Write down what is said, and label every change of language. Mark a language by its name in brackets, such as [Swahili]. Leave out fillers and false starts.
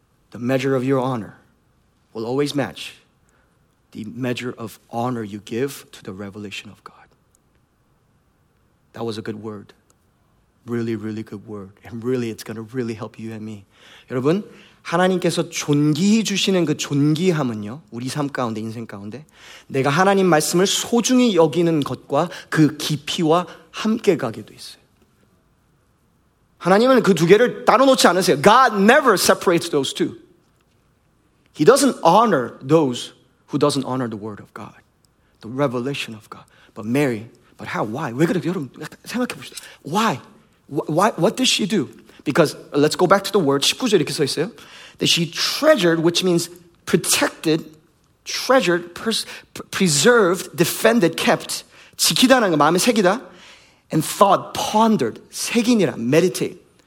[English] The measure of your honor will always match the measure of honor you give to the revelation of God. That was a good word. Really, really good word. And really, it's going to really help you and me. [Korean] 여러분, 하나님께서 존귀히 주시는 그 존귀함은요, 우리 삶 가운데, 인생 가운데 내가 하나님 말씀을 소중히 여기는 것과 그 깊이와 함께 가게 돼 있어요. 하나님은 그 두 개를 따로 놓지 않으세요. [English] God never separates those two. He doesn't honor those who doesn't honor the word of God, the revelation of God. But Mary, but how? Why? [Korean] 왜 그래? 여러분, 생각해봅시다. [English] Why? Why? What does she do? Because let's go back to the word. [Korean] 19절 이렇게 써 있어요. [English] That she treasured, which means protected, treasured, preserved, defended, kept, [Korean] 지키다는 거, 마음에 새기다, [English] and thought, pondered, [Korean] 새기니라, [English] meditate.